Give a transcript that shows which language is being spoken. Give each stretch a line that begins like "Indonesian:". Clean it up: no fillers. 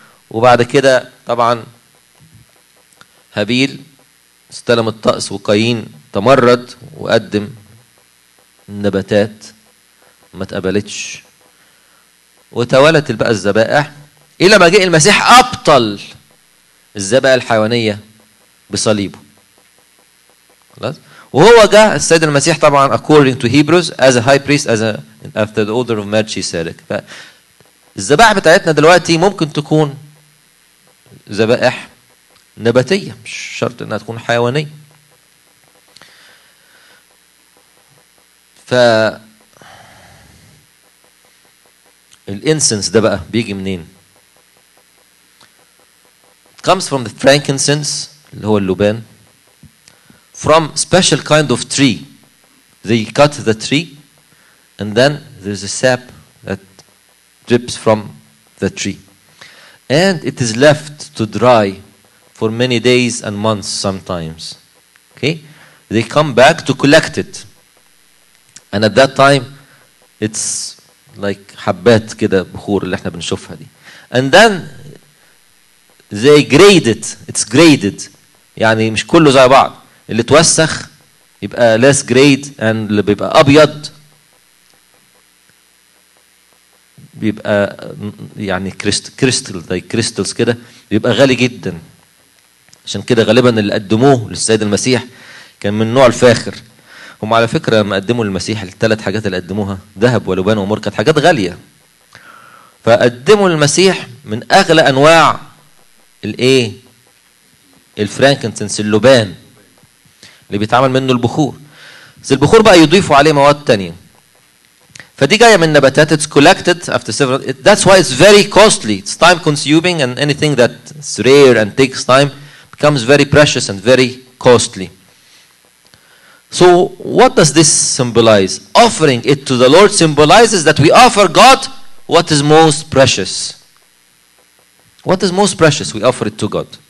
Arabic: وبعد كده طبعا هابيل استلم الطقس وقايين تمرد وقدم النباتات ما تقبلتش وتولت بقى الذبائح إلى ما جاء المسيح أبطل الذبائح الحيوانية بصليبه. خلاص؟ وهو جاء السيد المسيح طبعا
English: according to Hebrews as a high priest as a, after the order of Melchizedek.
Arabic: فالذبائح بتاعتنا دلوقتي ممكن تكون ذبائح نباتية مش شرط انها تكون حيوانية. فالإنسنس ده بقى بيجي منين؟
English: It comes from the frankincense
Arabic: اللي هو اللبان.
English: From special kind of tree, they cut the tree, and then there's a sap that drips from the tree, and it is left to dry for many days and months sometimes. Okay, they come back to collect it, and at that time, it's like
Arabic: حبات كده بخور اللي احنا بنشوفها دي,
English: and then they grade it. It's graded,
Arabic: يعني مش كله زي بعض. اللي توسخ يبقى
English: less grade and
Arabic: اللي بيبقى أبيض بيبقى يعني crystal زي crystals كده بيبقى غالي جدا. عشان كده غالبا اللي قدموه للسيد المسيح كان من نوع الفاخر. هم على فكرة ما قدموا للمسيح الثلاث حاجات اللي قدموها ذهب ولبان ومر كانت حاجات غالية. فقدموا للمسيح من أغلى أنواع الفرانكنسنس اللبان اللي بيتعمل منه البخور. زي البخور بقى يضيفوا عليه مواد تانية. فدي جاية من نباتات.
English: It's collected after several. That's why it's very costly. It's time consuming and anything that's rare and takes time becomes very precious and very costly. So what does this symbolize? Offering it to the Lord symbolizes that we offer God what is most precious. What is most precious? We offer it to God.